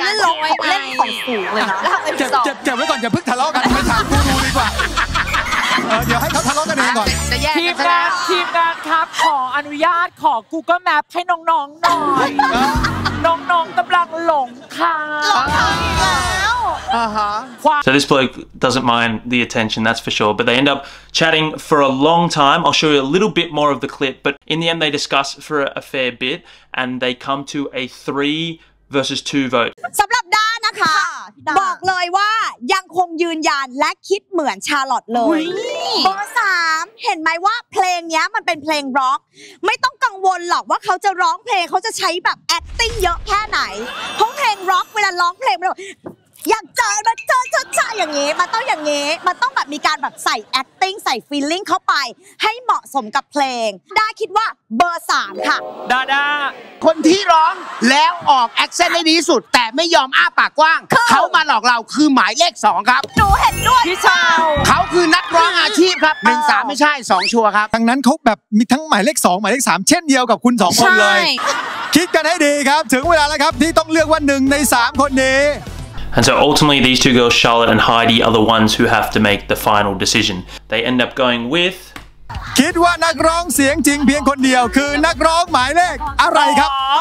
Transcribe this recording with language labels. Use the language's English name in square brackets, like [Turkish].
[Thai] เขาเล่นลงไว้เล่นของสูงเลยนะ เจ็บไว้ก่อนอย่าเพิ่งทะเลาะกันไปถามผู้ดูดีกว่าเดี๋ยวให้เขาทะเลาะกันเองก่อน ทีมงานทีมงานครับขออนุญาตขอ Google Map ให้น้องๆหน่อยน้องๆกำลังหลงทาง หลงทางแล้ว Uh-huh. [English] So this bloke doesn't mind the attention, that's for sure. But they end up chatting for a long time. I'll show you a little bit more of the clip. But in the end, they discuss for a fair bit. And they come to a 3-2 vote. [Thai] สำหรับด้านนะคะบอกเลยว่ายังคงยืนยันและคิดเหมือนชาร์ลอตเลยเบอร์3เห็นไหมว่าเพลงนี้มันเป็นเพลงร็อกไม่ต้องกังวลหรอกว่าเขาจะร้องเพลงเขาจะใช้แบบแอคติ้งเยอะแค่ไหนเพราะเพลงร็อกเวลาร้องเพลงอยากเจอมาเจอชัดๆอย่างนี้มันต้องอย่างนี้มันต้องแบบมีการแบบใส่แอคติ้งใส่ฟีลลิ่งเข้าไปให้เหมาะสมกับเพลงด้าคิดว่าเบอร์3ค่ะ ด้า คนที่ร้องแล้วออกแอคเซนต์ได้ดีที่สุดแต่ไม่ยอมอ้าปากกว้างเขามาหลอกเราคือหมายเลข2ครับ หนูเห็นด้วย พี่ชาว เขาคือนักร้องอาชีพครับ1 3ไม่ใช่2ชัวร์ครับ ดังนั้นเขาแบบมีทั้งหมายเลข2หมายเลข3เช่นเดียวกับคุณ2คนเลยคิดกันให้ดีครับถึงเวลาแล้วครับที่ต้องเลือกว่า1ใน3คนนี้ [English] And so ultimately, these two girls, Charlotte and Heidi, are the ones who have to make the final decision. They end up going with... [Thai] คิดว่านักร้องเสียงจริงเพียงคนเดียวคือนักร้องหมายเลขอะไรครับ